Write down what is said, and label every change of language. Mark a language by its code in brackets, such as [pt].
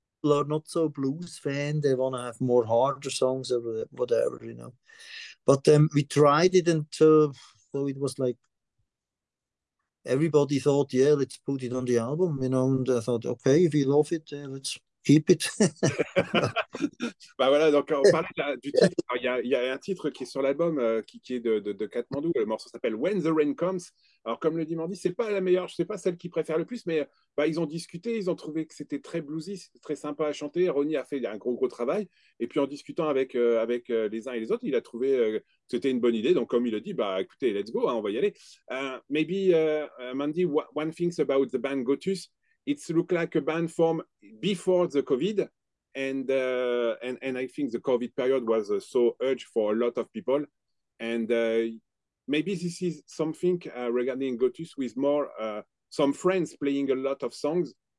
[en] People are not so blues fan. They want to have more harder songs or whatever, you know. But we tried it, and so it was like everybody thought, yeah, let's put it on the album, you know. And I thought, okay, if you love it, let's keep it. [fr] Bah voilà, donc on parlait là, du titre. Il y a un titre qui est sur l'album qui est de Katmandou. Le morceau s'appelle When the Rain Comes. Alors, comme le dit Mandy, c'est pas la meilleure, je sais pas celle qu'ils préfèrent le plus, mais bah, ils ont discuté, ils ont trouvé que c'était très bluesy, c'était très sympa à chanter. Ronnie a fait un gros travail. Et puis en discutant avec les uns et les autres, il a trouvé que c'était une bonne idée. Donc, comme il a dit, bah écoutez, [en] let's go, [fr] hein, on va y aller. [en] Maybe Mandy, one thing about the band Gotus. It looks like a band formed before the COVID, and I think the COVID period was so urge for a lot of people, and maybe this is something regarding Gotus with more some friends playing a lot of songs.